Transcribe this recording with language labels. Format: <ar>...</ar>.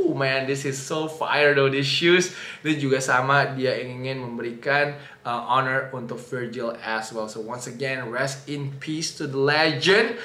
<en>Oh man, this is so fire though, these shoes.</en> <id>Ini juga sama, dia ingin memberikan honor untuk Virgil</id> <en>as well. So once again, rest in peace to the legend.</en>